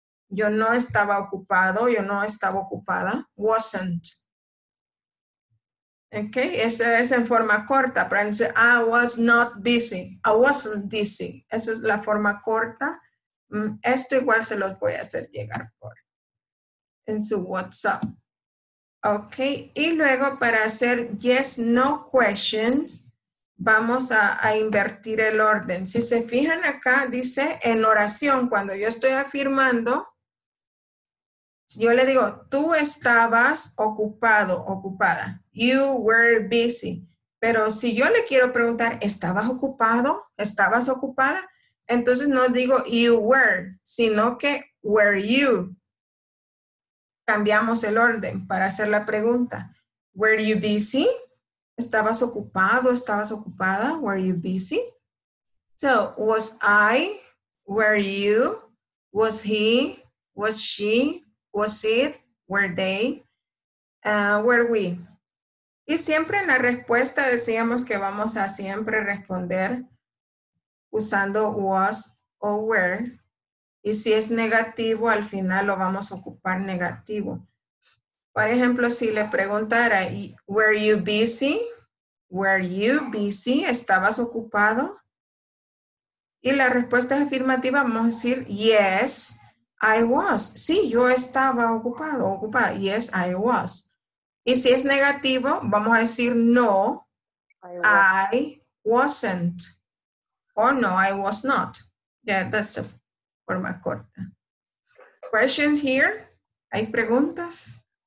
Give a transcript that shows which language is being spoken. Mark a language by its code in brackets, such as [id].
[es] Yo no estaba ocupado, yo no estaba ocupada. [en] Wasn't. [es] Okay, esa es en forma corta. Para decir, [en] I was not busy. I wasn't busy. [es] Esa es la forma corta. Esto igual se los voy a hacer llegar por en su WhatsApp. Okay, y luego para hacer yes, no questions, vamos a invertir el orden. Si se fijan acá, dice en oración, cuando yo estoy afirmando, yo le digo, tú estabas ocupado, ocupada. [en] You were busy. [es] Pero si yo le quiero preguntar, ¿estabas ocupado? ¿Estabas ocupada? Entonces no digo you were, sino que were you. Cambiamos el orden para hacer la pregunta. [en] Were you busy? [es] ¿Estabas ocupado? ¿Estabas ocupada? [en] Were you busy? So, was I? Were you? Was he? Was she? Was it? Were they? Were we? [es] Y siempre en la respuesta decíamos que vamos a siempre responder usando was o were. Y si es negativo, al final lo vamos a ocupar negativo. Por ejemplo, si le preguntara, [en] were you busy? Were you busy? [es] ¿Estabas ocupado? Y la respuesta es afirmativa, vamos a decir, [en] yes, I was. [es] Sí, yo estaba ocupado, ocupada. [en] Yes, I was. [es] Y si es negativo, vamos a decir, [en] no, I wasn't. Or no, I was not. Yeah, that's a [es] forma corta. [en] Questions here? [es] ¿Hay preguntas?